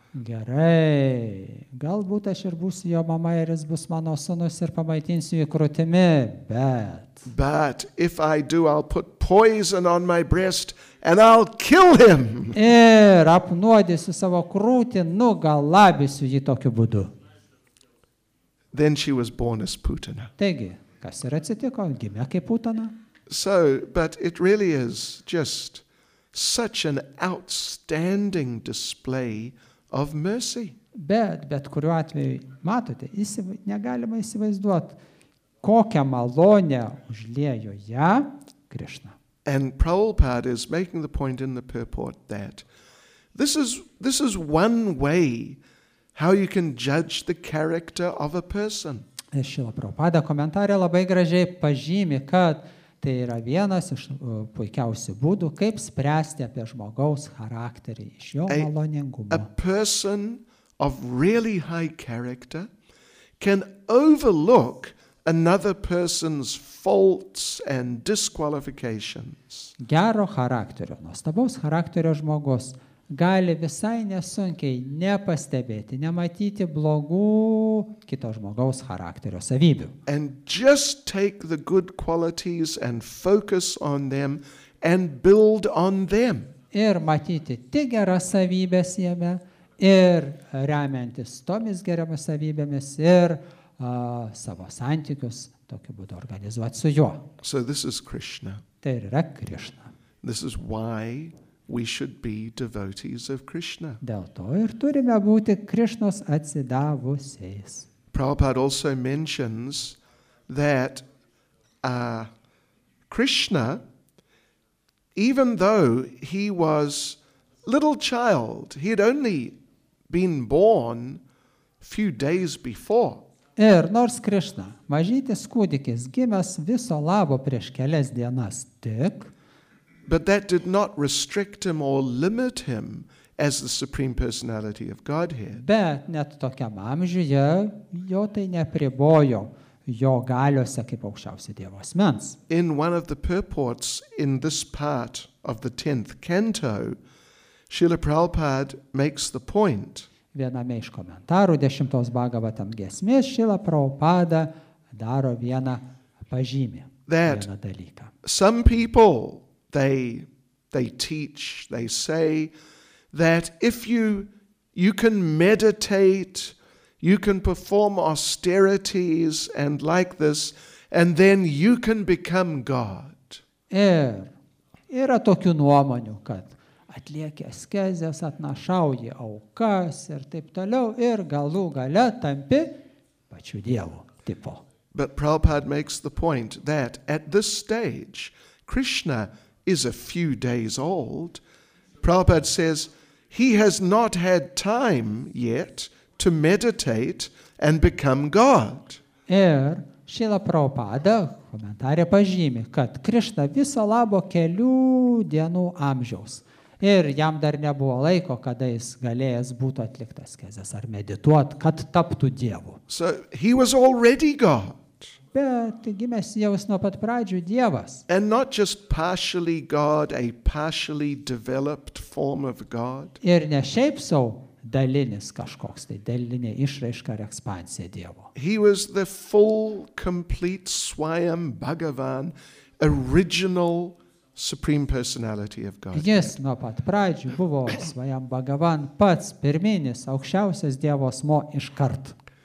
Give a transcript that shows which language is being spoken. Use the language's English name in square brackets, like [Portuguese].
[Lithuanian] Gerai. Galbūt aš ir būsiu jo mama ir jis bus mano sūnus ir pamaitinsiu jį krūtimi, bet... [English] But if I do, I'll put poison on my breast and I'll kill him. [Lithuanian] Ir apnuodysiu savo krūtį, nugalabysiu jį tokiu būdu. [English] Then she was born as Putana. [Lithuanian] Taigi, kas ir atsitiko? Gimė kaip Putana. [English] So, but it really is just such an outstanding display of mercy. [Lithuanian] Bet kuriuo atveju, matote, negalima įsivaizduoti, kokią malonę užliejo ją Krishna. [English] And Prabhupada is making the point in the purport that this is one way how you can judge the character of a person. [Lithuanian] Šila Prabhupada komentare labai gražiai pažymi, kad tai yra vienas iš puikiausių būdų, kaip spręsti apie žmogaus charakterį, iš jo maloningumo. [English] A person of really high character can overlook another person's faults and disqualifications. [Lithuanian] Gero charakterio, nuostabaus charakterio žmogus gali visai nesunkiai nepastebėti, nematyti blogų kito žmogaus charakterio savybių. [English] And just take the good qualities and focus on them and build on them. [Lithuanian] Ir matyti tik geras savybės jame ir remiantis tomis geriamis savybėmis ir savo santykius tokiu būdu organizuoti su juo. [English] So this is Krishna. [Lithuanian] Tai yra Krishna. [English] This is why we should be devotees of Krishna. [Lithuanian] Dėl to ir turime būti Krishnos atsidavusiais. [English] Prabhupada also mentions that Krishna, even though he was little child, he had only been born few days before. [Lithuanian] Ir nors Krishna, mažytis kūdikis, gimęs viso labo prieš kelias dienas tik, [English] but that did not restrict him or limit him as the Supreme Personality of Godhead. [Lithuanian] Bet net tokiam amžiuje jo tai nepribojo jo galiose kaip aukščiausio Dievo asmens. [English] In one of the purports in this part of the 10th canto, Srila Prabhupada makes the point. [Lithuanian] Viename iš komentarų 10 Bhagavatam giesmės Srila Prabhupada daro vieną pažymį, vieną dalyką. [English] Some people they teach, they say that if you can meditate, you can perform austerities and like this, and then you can become God. [Lithuanian] Ir yra tokių nuomonių, kad atlieki askezes, atnašauji aukas ir taip toliau, ir galų gale tampi pačiu Dievu tipo. [English] But Prabhupada makes the point that at this stage, Krishna is a few days old. Prabhupada says he has not had time yet to meditate and become God. [Lithuanian] Ir Srila Prabhupada komentare pažymi, kad Krishna viso labo kelių dienų amžiaus. Ir jam dar nebuvo laiko, kada jis galėjęs būtų atliktas kezės ar medituot, kad taptų Dievu. [English] So he was already God. [Lithuanian] Bet gimęs jau nuo pat pradžių Dievas. [English] And not just partially God, a partially developed form of God. [Lithuanian] Ir ne šiaip sau dalinis kažkoks, tai dalinė išraiška ar ekspansija Dievo. [English] He was the full, complete Swayam Bhagavan, original Supreme Personality of God. [Lithuanian] Jis nuo pat pradžių buvo Swayam Bhagavan, pats pirminis, aukščiausias Dievo asmo iškart.